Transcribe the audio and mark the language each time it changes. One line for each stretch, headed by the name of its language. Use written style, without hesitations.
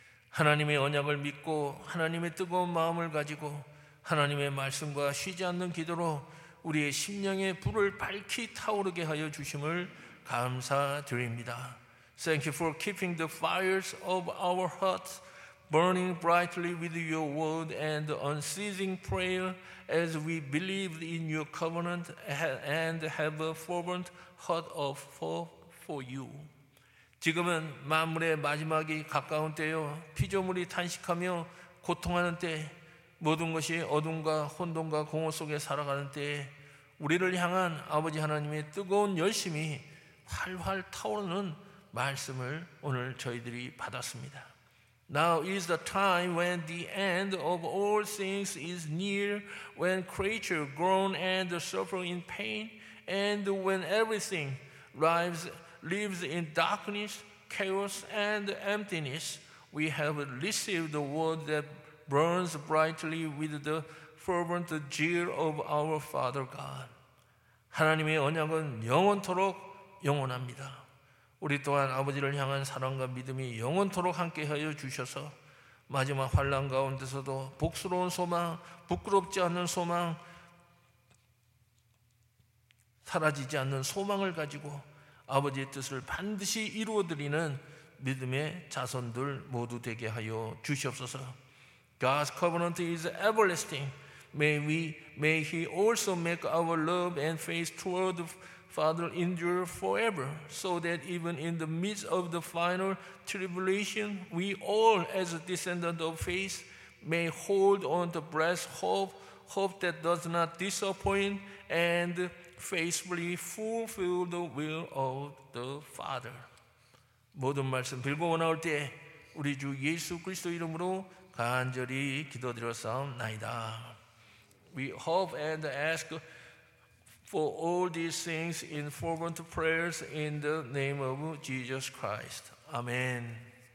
Korean: 하나님의 언약을 믿고 하나님의 뜨거운 마음을 가지고 하나님의 말씀과 쉬지 않는 기도로 우리의 심령의 불을 밝히 타오르게 하여 주심을 감사드립니다.
English: Thank you for keeping the fires of our hearts burning brightly with your word and unceasing prayer as we believe in your covenant and have a fervent heart of hope for you.
Korean: 지금은 만물의 마지막이 가까운 때요 피조물이 탄식하며 고통하는 때 모든 것이 어둠과 혼돈과 공허 속에 살아가는 때 우리를 향한 아버지 하나님의 뜨거운 열심이 활활 타오르는 말씀을 오늘 저희들이 받았습니다.
English: Now is the time when the end of all things is near, when creatures groan and suffer in pain, and when everything lives in darkness, chaos, and emptiness. We have received the word that burns brightly with the fervent zeal of our Father God.
Korean: 하나님의 언약은 영원토록 영원합니다. 우리 또한 아버지를 향한 사랑과 믿음이 영원토록 함께하여 주셔서 마지막 환난 가운데서도 복스러운 소망, 부끄럽지 않는 소망, 사라지지 않는 소망을 가지고 아버지의 뜻을 반드시 이루어드리는 믿음의 자손들 모두 되게 하여 주시옵소서.
English: God's covenant is everlasting. May He also make our love and faith toward father endure forever, so that even in the midst of the final tribulation, we all, as a descendant of faith, may hold on to blessed hope, hope that does not disappoint, and faithfully fulfill the will of the Father.
Korean: 모든 말씀 빌고 나올 때 우리 주 예수 그리스도 이름으로 간절히 기도드렸사옵나이다.
English: We hope and ask for all these things in fervent prayers in the name of Jesus Christ. Amen.